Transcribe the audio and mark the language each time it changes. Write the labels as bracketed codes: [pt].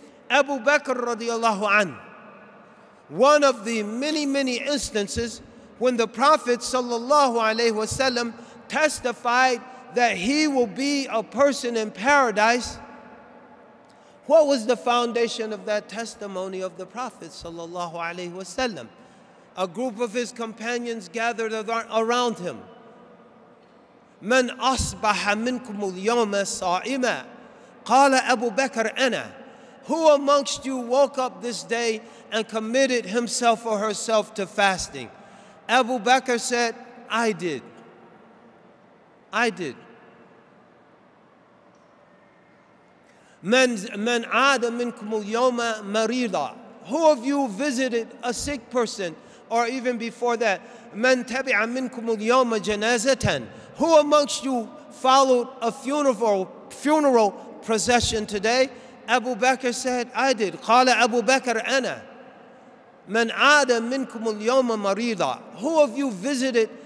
[en] Abu Bakr radiallahu anhu, one of the many, many instances when the Prophet sallallahu alayhi wasallam testified that he will be a person in paradise. What was the foundation of that testimony of the Prophet sallallahu alayhi wasallam? A group of his companions gathered around him. [ar] من أصبح منكم اليوم صائما قال أبو بكر أنا. [en] Who amongst you woke up this day and committed himself or herself to fasting? Abu Bakr said, I did. [ar] من عاد منكم اليوم مريضا. [en] Who of you visited a sick person? Or even before that, [ar] من تبع منكم اليوم جنازة. [en] Who amongst you followed a funeral procession today? Abu Bakr said, I did. [ar] قال أبو بكر أنا. من عاد منكم اليوم مريضا. [en] Who of you visited